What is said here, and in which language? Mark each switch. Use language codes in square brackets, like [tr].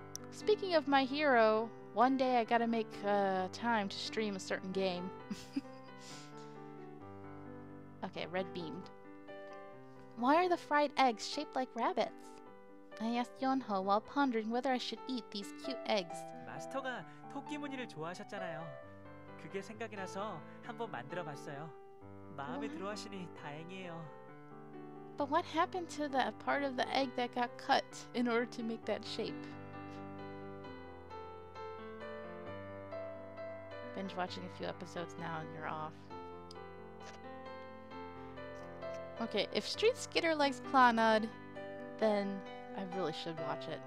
[en] Speaking of My Hero, one day I gotta make time to stream a certain game. Okay, Red beamed. Why are the fried eggs shaped like rabbits? I asked Yeonho while pondering whether I should eat these cute eggs. [ko] 마스터가 토끼 무늬를 좋아하셨잖아요. 그게 생각이 나서 한번 만들어 봤어요. 마음에 들어 하시니 다행이에요. [en] But what happened to that part of the egg that got cut in order to make that shape? Binge watching a few episodes now and you're off. Okay, if Street Skitter likes Clannad, then I really should watch it.